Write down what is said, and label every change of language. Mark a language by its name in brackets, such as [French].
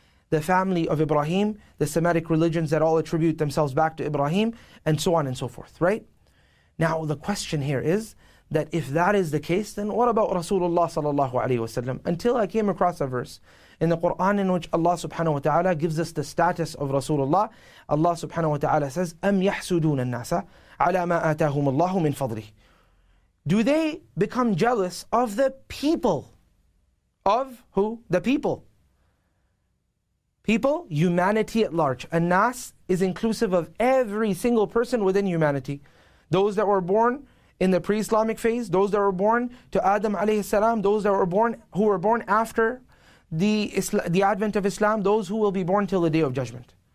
[English] The family of Ibrahim, the Semitic religions that all attribute themselves back to Ibrahim, and so on and so forth, right? Now the question here is, that if that is the case, then what about Rasulullah sallallahu alayhi wasallam? Until I came across a verse in the Quran in which Allah subhanahu wa ta'ala gives us the status of Rasulullah. Allah subhanahu wa ta'ala says, [Arabic] أَمْ يَحْسُدُونَ النَّاسَ عَلَىٰ مَا آتَاهُمُ اللَّهُ مِنْ فَضْلِهِ. [English] Do they become jealous of the people? Of who? The people. People, humanity at large. An-nas is inclusive of every single person within humanity. Those that were born in the pre-Islamic phase, those that were born to Adam alayhi salam, those that were born who were born after the advent of Islam, those who will be born till the Day of Judgment.